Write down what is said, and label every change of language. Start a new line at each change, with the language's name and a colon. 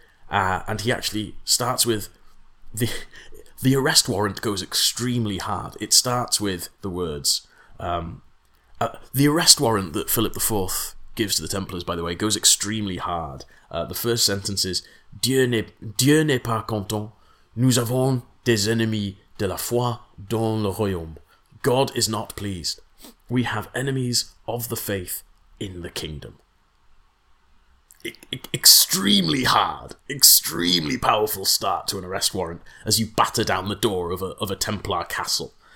English: And he actually starts with the arrest warrant goes extremely hard. It starts with the words, the arrest warrant that Philip IV gives to the Templars, by the way, goes extremely hard. The first sentence is,
French: Dieu n'est pas content. Nous avons des ennemis de la foi dans le royaume.
English: God is not pleased. We have enemies of the faith in the kingdom. Extremely hard, extremely powerful start to an arrest warrant as you batter down the door of a Templar castle.